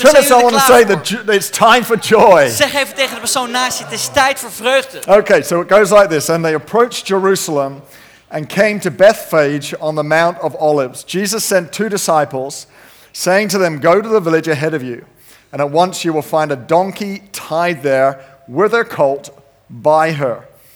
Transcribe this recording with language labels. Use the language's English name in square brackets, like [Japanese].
[English] Tell someone to say that it's time for joy. [Dutch] Zeg even tegen de persoon naast je, het is tijd voor vreugde. [English] Okay, so it goes like this. And they approached Jerusalem and came to Bethphage on the Mount of Olives. Jesus sent two disciples, saying to them, go to the village ahead of you, and at once you will find a donkey tied there with her colt by her.